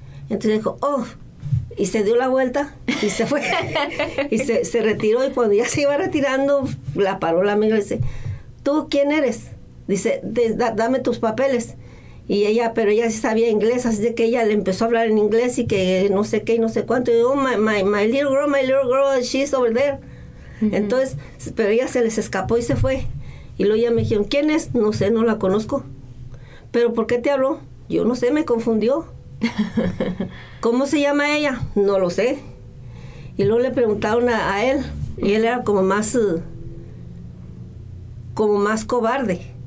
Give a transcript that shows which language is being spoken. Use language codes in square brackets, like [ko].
[es] Entonces dijo, oh, y se dio la vuelta y se fue. Y se retiró, y cuando ya se iba retirando, la paró la migra y dice, ¿tú quién eres? Dice, dame tus papeles. Y ella sí sabía inglés, así de que ella le empezó a hablar en inglés y que no sé qué y no sé cuánto. [en] Y yo, oh, my little girl, she's over there. Uh-huh. [es] Entonces, pero ella se les escapó y se fue. Y luego ella me dijeron, ¿quién es? No sé, no la conozco. ¿Pero por qué te habló? Yo no sé, me confundió. ¿Cómo se llama ella? No lo sé. Y luego le preguntaron a él, y él era como más cobarde.